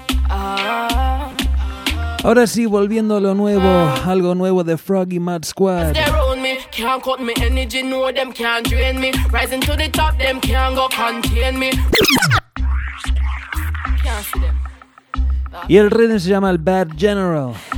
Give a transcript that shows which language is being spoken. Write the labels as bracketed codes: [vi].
[es] Ahora sí, volviendo a lo nuevo, algo nuevo de Froggy Mad Squad. [en] Can't cut me energy, no them can't drain me. Rising to the top, them can't go contain me. Can't see them. [es] Y el ritmo se llama el Bad General.